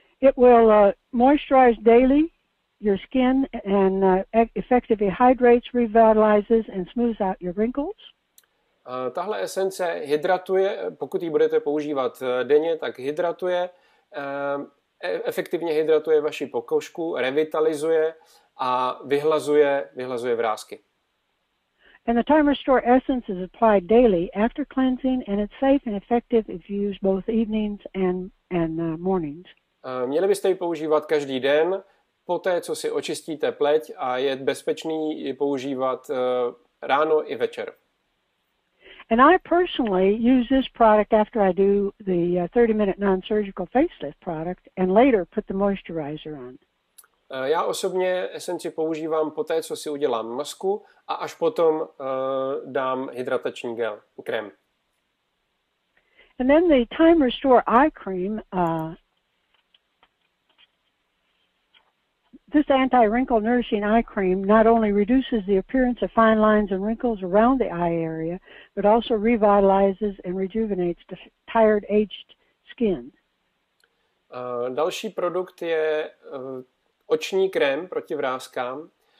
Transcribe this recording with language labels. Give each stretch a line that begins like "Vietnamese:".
English: It will moisturize daily your skin and effectively hydrates, revitalizes and smooths out your wrinkles.
Czech: Tahle esence hydratuje, pokud ji budete používat denně, tak hydratuje, efektivně hydratuje vaši pokožku, revitalizuje a vyhlazuje vrásky.
English: And the Time Restore essence is applied daily after cleansing and it's safe and effective if you use both evenings and mornings.
Czech: Měli byste ji používat každý den, poté co si očistíte pleť, a je bezpečný ji používat ráno i večer.
English: And I personally use this product after I do the 30-minute non-surgical facelift product and later put the moisturizer on.
Czech: Já osobně esenci používám poté, co si udělám masku, a až potom dám hydratační gel, krém.
English: And then the Time Restore eye cream. This anti-wrinkle nourishing eye cream not only reduces the appearance of fine lines and wrinkles around the eye area, but also revitalizes and rejuvenates the tired, aged skin.
Czech: Další produkt je oční krém proti vrázkám.